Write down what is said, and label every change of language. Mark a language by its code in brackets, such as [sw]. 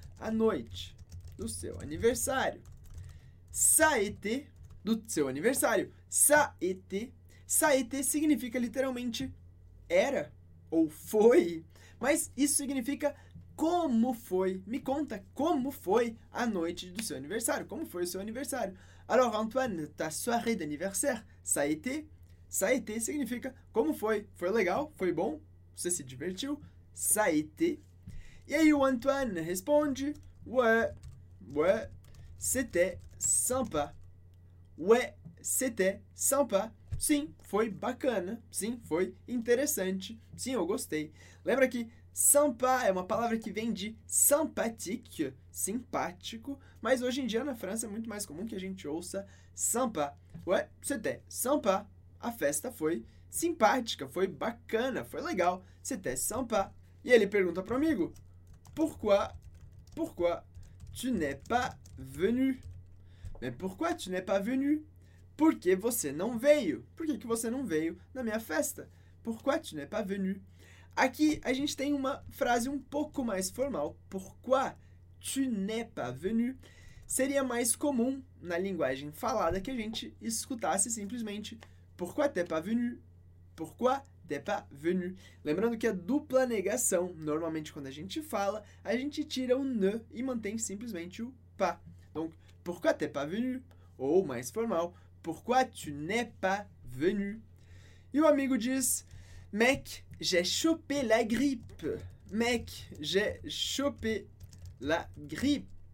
[pt] A noite do seu aniversário. Saete, do seu aniversário. Saete. Saete significa literalmente era ou foi. Mas isso significa como foi. Me conta como foi a noite do seu aniversário. Como foi o seu aniversário? [fr] Alors Antoine, ta soirée d'anniversaire, ça a été? Ça a été [pt] significa como foi. Foi legal? Foi bom? Você se divertiu? [fr] Ça a été. [pt] E aí o Antoine responde: [fr] ouais, ouais, c'était sympa. Ouais, c'était sympa. [pt] Sim, foi bacana. Sim, foi interessante. Sim, eu gostei. Lembra que sympa é uma palavra que vem de sympathique, simpático, mas hoje em dia na França é muito mais comum que a gente ouça sympa. [fr] Ouais, c'était sympa. [pt] A festa foi simpática, foi bacana, foi legal. [fr] C'était sympa. [pt] E ele pergunta pro amigo: [fr] Pourquoi tu n'es pas venu? Mais pourquoi tu n'es pas venu? [pt] Por que você não veio? Por que você não veio na minha festa? [fr] Pourquoi tu n'es pas venu? [pt] Aqui a gente tem uma frase um pouco mais formal. [fr] Pourquoi tu n'es pas venu? [pt] Seria mais comum na linguagem falada que a gente escutasse simplesmente [fr] pourquoi t'es pas venu? Pourquoi t'es pas venu? [pt] Lembrando que a dupla negação, normalmente quando a gente fala, a gente tira o ne e mantém simplesmente o pas. [fr] Donc, pourquoi t'es pas venu? [pt] Ou mais formal, [fr] pourquoi tu n'es pas venu? [pt] E o amigo diz: [fr] mec, j'ai chopé la grippe. Mec, j'ai chopé la grippe.